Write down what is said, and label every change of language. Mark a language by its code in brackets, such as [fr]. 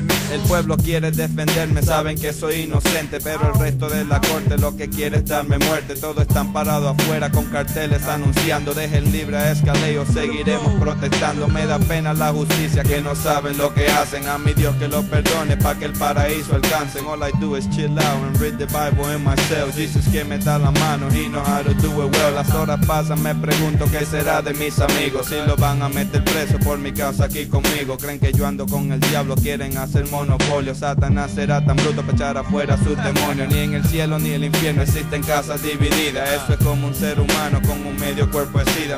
[es] El pueblo quiere defenderme, saben que soy inocente. Pero el resto de la corte lo que quiere es darme muerte. Todos están parados afuera con carteles anunciando: dejen libre a Escalade o seguiremos protestando. Me da pena la justicia que no saben lo que hacen. A mi Dios que lo perdone pa' que el paraíso alcancen. [en] All I do is chill out and read the Bible in my cell. Jesus [es] que me da la mano y [en] know how to do it well. [es] Las horas pasan, me pregunto qué será de mis amigos. Si lo van a meter preso por mi causa aquí conmigo. Creen que yo ando con el diablo, quieren hacer monopolio. Satanás será tan bruto pa' echar afuera a sus demonios. Ni en el cielo ni el infierno existen casas divididas. Eso es como un ser humano con un medio cuerpo de sida.